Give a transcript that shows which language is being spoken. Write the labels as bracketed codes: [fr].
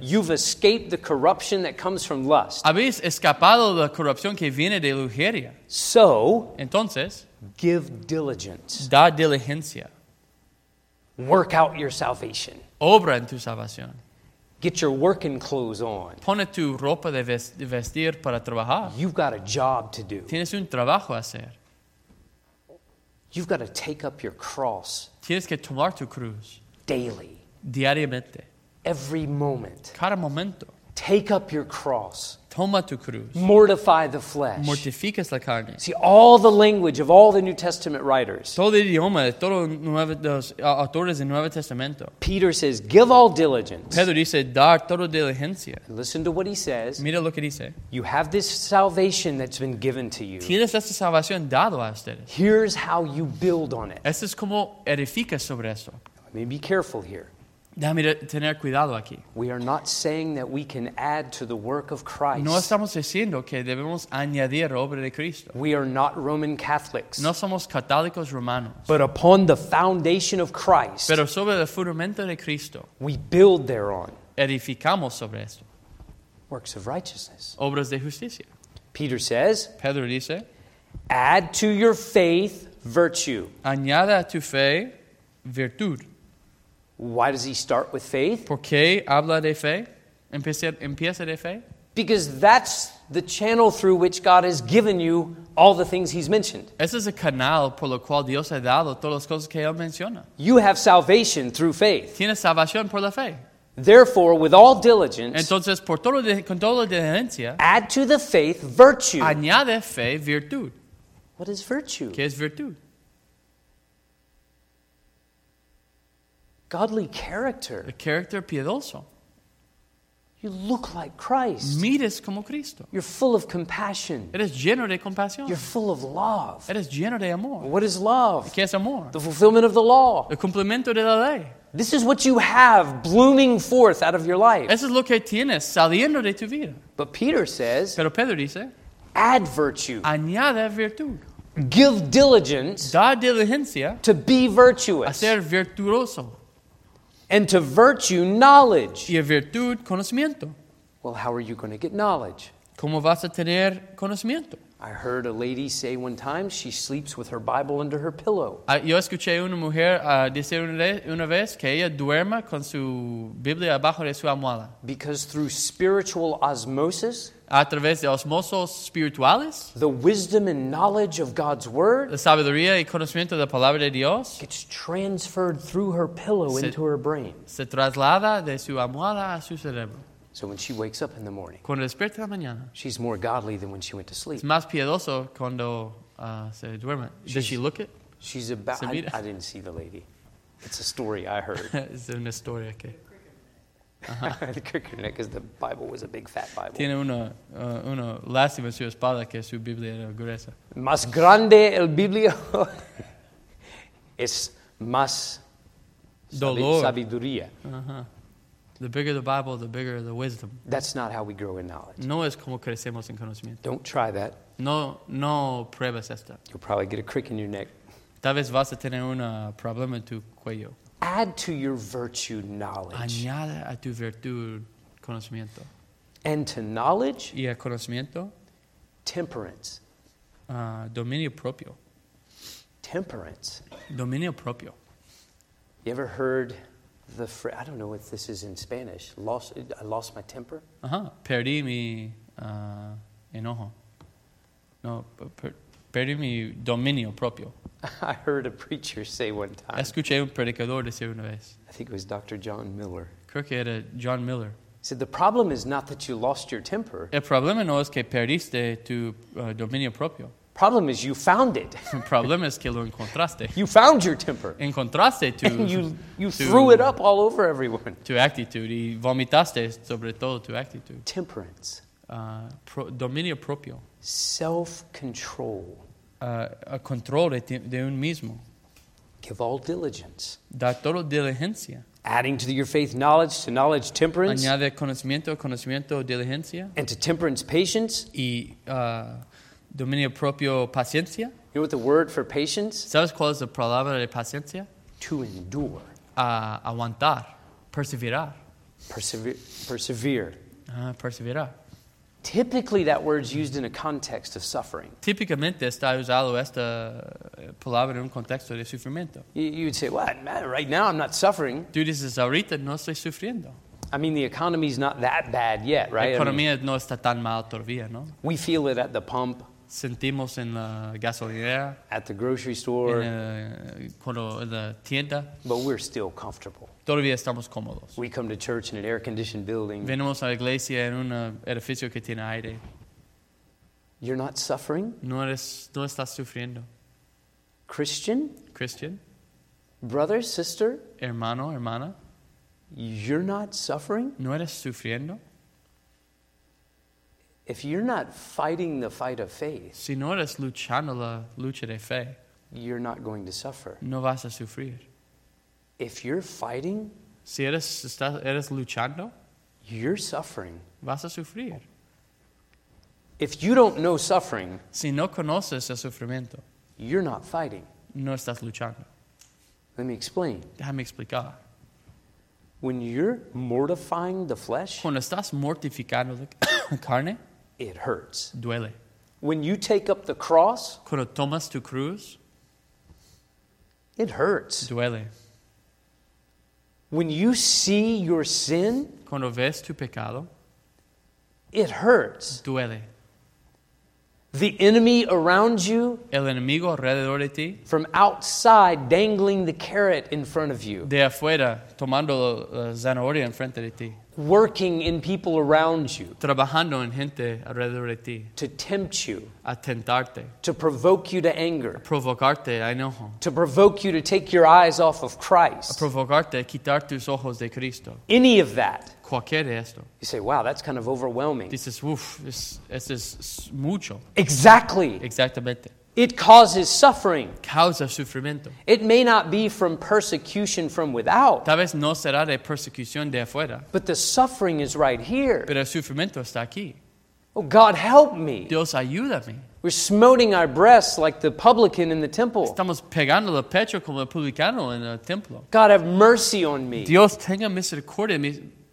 [en] You've escaped the corruption that comes from lust. [es] Habéis escapado de la corrupción que viene de lujuria. [en] So, [es] entonces, [en] give diligence. [es] Da diligencia. [en] Work out your salvation. [es] Obra en tu salvación. [en] Get your working clothes on. [es] Pone tu ropa de vestir para trabajar. [en] You've got a job to do. [es] Tienes un trabajo a hacer. [en] You've got to take up your cross. [es] Tienes que tomar tu cruz. [en] Daily. [es] Diariamente. [en] Every moment. [es] Cada momento. [en] Take up your cross. [es] Toma tu cruz. [en] Mortify the flesh. [es] Mortificas la carne. [en] See, all the language of all the New Testament writers. [es] Todo el idioma de todos los autores del Nuevo Testamento. [en] Peter says, give all diligence. [es] Pedro dice, dar toda diligencia. [en] And listen to what he says. [es] Mira lo que dice. [en] You have this salvation that's been given to you. [es] Tienes esta salvación dado a ustedes. [en] Here's how you build on it. [es] Esto es como edificas sobre esto. [en] Let me be careful here. [es] Dame tener cuidado aquí. [en] We are not saying that we can add to the work of Christ. [es] No estamos diciendo que debemos añadir obra de Cristo. [en] We are not Roman Catholics. [es] No somos católicos romanos. [en] But upon the foundation of Christ. [es] Pero sobre el fundamento de Cristo. [en] We build thereon. [es] Edificamos sobre esto. [en] Works of righteousness. [es] Obras de justicia. [en] Peter says. [es] Pedro dice. [en] Add to your faith virtue. [es] Añada a tu fe virtud. [en] Why does he start with faith? [es] ¿Por qué habla de fe? ¿Empieza de fe? [en] Because that's the channel through which God has given you all the things he's mentioned. [es] Ese es el canal por lo cual Dios ha dado todas las cosas que él menciona. [en] You have salvation through faith. [es] Tienes salvación por la fe. [en] Therefore, with all diligence, [es] entonces, por todo, con toda la diligencia, [en] add to the faith virtue. [es] Añade fe virtud. [en] What is virtue? [es] ¿Qué es virtud? [en] Godly character. [es] El carácter piadoso. [en] You look like Christ. [es] Mires como Cristo. [en] You're full of compassion. [es] Eres lleno de compasión. [en] You're full of love. [es] Eres lleno de amor. [en] What is love? [es] ¿Qué es amor? [en] The fulfillment of the law. [es] El cumplimiento de la ley. [en] This is what you have blooming forth out of your life. [es] Eso es lo que tienes saliendo de tu vida. [en] But Peter says, [es] pero Pedro dice, [en] add virtue. [es] Añade virtud. [en] Give diligence. [es] Da diligencia. [en] To be virtuous. [es] A ser virtuoso. [en] And to virtue, knowledge. [es] Y a virtud, conocimiento. [en] Well, how are you going to get knowledge? [es] ¿Cómo vas a tener conocimiento? [en] I heard a lady say one time she sleeps with her Bible under her pillow. [es] Yo escuché una mujer decir una vez que ella duerma con su Biblia abajo de su almohada. [en] Because through spiritual osmosis, [es] a través de osmosos espirituales, [en] the wisdom and knowledge of God's word, [es] la sabiduría y conocimiento de la palabra de Dios, [en] gets transferred through her pillow into her brain. [es] Se traslada de su almohada a su cerebro. [en] So when she wakes up in the morning, [es] cuando despierta en la mañana, [en] she's more godly than when she went to sleep. [es] Es más piadoso cuando se duerme. [en] Does she look it? She's about. I didn't see the lady. It's a story I heard. [es] Es una historia que. Uh-huh. [en] The crooked neck, because the Bible was a big fat Bible. [es] Tiene una lástima su espada que su Biblia era gruesa. Más grande el Biblio es más dolor. Sabiduría. [en] The bigger the Bible, the bigger the wisdom. That's not how we grow in knowledge. [es] No es como crecemos en conocimiento. [en] Don't try that. [es] No pruebas esto. [en] You'll probably get a crick in your neck. [es] Tal vez vas a tener un problema en tu cuello. [en] Add to your virtue knowledge. [es] Añade a tu virtud conocimiento. [en] And to knowledge. [es] Y a conocimiento. [en] Temperance. [es] Dominio propio. [en] Temperance. [es] Dominio propio. [en] You ever heard the phrase, I don't know if this is in Spanish, I lost my temper? [es] Perdí mi enojo. No, perdí mi dominio propio. [en] I heard a preacher say one time. [es] Escuché un predicador decir una vez. [en] I think it was Dr. John Miller. [es] Creo que era John Miller. [en] He said, the problem is not that you lost your temper. [es] El problema no es que perdiste tu dominio propio. [en] Problem is you found it. [es] El problema es que lo encontraste. [en] You found your temper. [es] Encontraste tu... [en] you threw it up all over everyone. [es] Tu actitud y vomitaste sobre todo tu actitud. [en] Temperance. [es] Dominio propio. [en] Self-control. [es] A control de un mismo. [en] Give all diligence. [es] Da toda diligencia. [en] Adding to your faith knowledge, to knowledge temperance. [es] Añade conocimiento, conocimiento, diligencia. [en] And to temperance, patience. [es] Y dominio propio, paciencia. [en] You know what the word for patience? [es] ¿Sabes cuál es la palabra de paciencia? [en] To endure. [es] Aguantar. Perseverar. [en] Persevere. [es] Perseverar. [en] Typically, that word's used in a context of suffering. [es] Típicamente está usado esta palabra en un contexto de sufrimiento. [en] You'd say, "Well, it doesn't matter. Right now, I'm not suffering." [es] Tú dices, ahorita no estoy sufriendo. [en] I mean, the economy's not that bad yet, right? [es] La economía no está tan mal todavía, ¿no? [en] We feel it at the pump. [es] Sentimos en la gasolinera. [en] At the grocery store. [es] En la tienda. [en] But we're still comfortable. [es] Todavía estamos cómodos. [en] We come to church in an air-conditioned building. [es] Venimos a la iglesia en un edificio que tiene aire. [en] You're not suffering? [es] No estás sufriendo. [en] Christian? Christian. Brother, sister? [es] Hermano, hermana. [en] You're not suffering? [es] No eres sufriendo. [en] If you're not fighting the fight of faith, [es] si no eres luchando la lucha de fe, [en] you're not going to suffer. [es] No vas a sufrir. [en] If you're fighting, [es] si eres luchando, [en] you're suffering. [es] Vas a sufrir. [en] If you don't know suffering, [es] si no conoces el sufrimiento, [en] you're not fighting. [es] No estás luchando. [en] Let me explain. [es] Déjame explicar. [en] When you're mortifying the flesh, [es] cuando estás mortificando la carne, [en] it hurts. [es] Duele. [en] When you take up the cross, [es] cuando tomas tu cruz, [en] it hurts. [es] Duele. [en] When you see your sin, [es] cuando ves tu pecado, [en] it hurts. [es] Duele. [en] The enemy around you, [es] el enemigo alrededor de ti, [en] from outside dangling the carrot in front of you, [es] de afuera tomando la zanahoria en frente de ti, [en] working in people around you, [es] trabajando en gente alrededor de ti, [en] to tempt you, [es] a tentarte, [en] to provoke you to anger, [es] a provocarte a enojo, [en] to provoke you to take your eyes off of Christ, [es] a provocarte a quitar tus ojos de Cristo, [en] any of that. You say, wow, that's kind of overwhelming. [es] Dices, uff, es mucho. [en] Exactly. [es] Exactamente. [en] It causes suffering. [es] Causa sufrimiento. [en] It may not be from persecution from without. [es] Tal vez no será de persecución de afuera. [en] But the suffering is right here. [es] Pero el sufrimiento está aquí. [en] Oh, God, help me. [es] Dios, ayúdame. [en] We're smoting our breasts like the publican in the temple. [es] Estamos pegando el pecho como el publicano en el templo. [en] God, have mercy on me. [es] Dios, tenga misericordia en mí.